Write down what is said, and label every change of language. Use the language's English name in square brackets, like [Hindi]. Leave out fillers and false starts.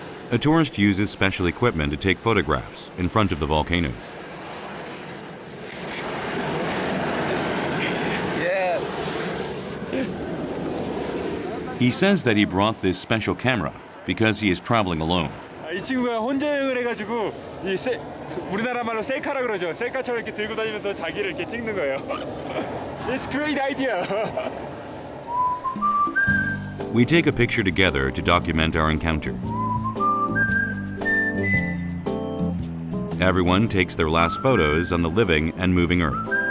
[English] A tourist uses special equipment to take photographs in front of the volcanoes. Yes. He says that he brought this special camera because he is traveling alone. [Korean] This 친구가 혼자 여행을 해가지고 이 세 우리나라 말로 셀카라 그러죠. 셀카처럼 이렇게 들고 다니면서 자기를 이렇게 찍는 거예요. [English] It's a great idea. We take a picture together to document our encounter. Everyone takes their last photos on the living and moving earth.